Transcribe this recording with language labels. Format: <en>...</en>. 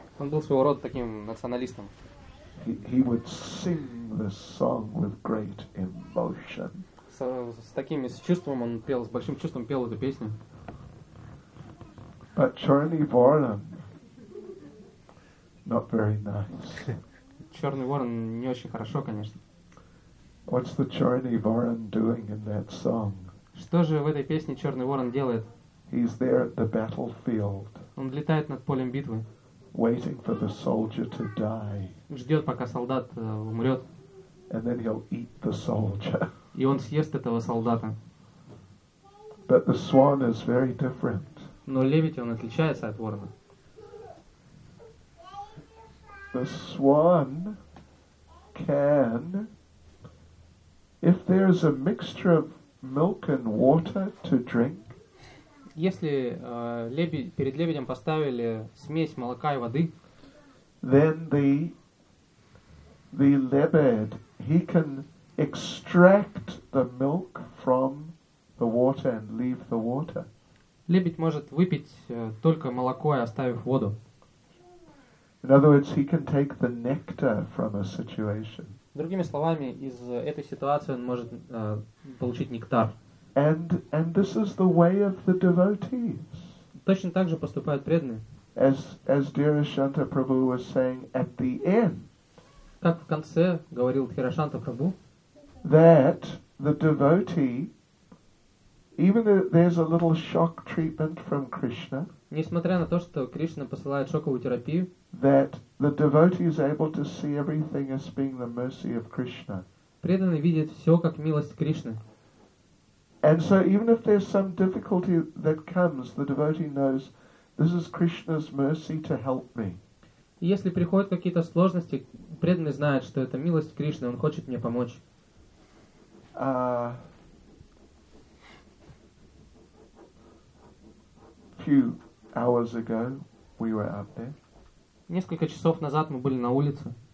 <ru>Он был своего рода таким националистом.</ru> <en>He would sing this song with great emotion.</en> <ru>С таким чувством он пел, с большим чувством пел эту песню.</ru> <en>But Черный Ворон, not very nice.</en> <ru>Черный Ворон не очень хорошо, конечно.</ru> <en>What's the Черный Ворон doing in that song?</en> <ru>Что же в этой песне Черный Ворон делает?</ru> <en>He's there at the battlefield.</en> <ru>Он летает над полем битвы.</ru> <en>Waiting for the soldier to die.</en> <ru>Ждет, пока солдат умрет.</ru> <en>And then he'll eat the soldier.</en> <ru>И он съест этого солдата.</ru> <en>But the swan is very different.</en> <ru>Но лебедь, он отличается от ворона.</ru> <en>The swan can... If there is a mixture of milk and water to drink,</en> <ru>если перед лебедем поставили смесь молока и воды,</ru> <en>then the lebed, he can extract the milk from the water and leave the water.</en> <ru>Лебедь может выпить только молоко и оставив воду.</ru> <en>In other words, he can take the nectar from a situation.</en> <ru>Другими словами, из этой ситуации он может получить нектар.</ru> <en>And this is the way of the devotees.</en> <ru>Точно так же поступают преданные.</ru> <en>as dear Shanta Prabhu was saying at the end,</en> <ru>как в конце говорил Тхирашанта Прабху,</ru> <en>that the devotee, even though there's a little shock treatment from Krishna,</en> <ru>несмотря на то, что Кришна посылает шоковую терапию,</ru> <en>that the devotee is able to see everything as being the mercy of Krishna.</en> <ru>Преданный видит все как милость Кришны.</ru> <en>And so even if there's some difficulty that comes, the devotee knows this is Krishna's mercy to help me.</en> <ru>Если приходят какие-то сложности, преданный знает, что это милость Кришны, он хочет мне помочь.</ru> <en>Few hours ago we were out there.</en> <ru>Несколько часов назад мы были на улице.</ru>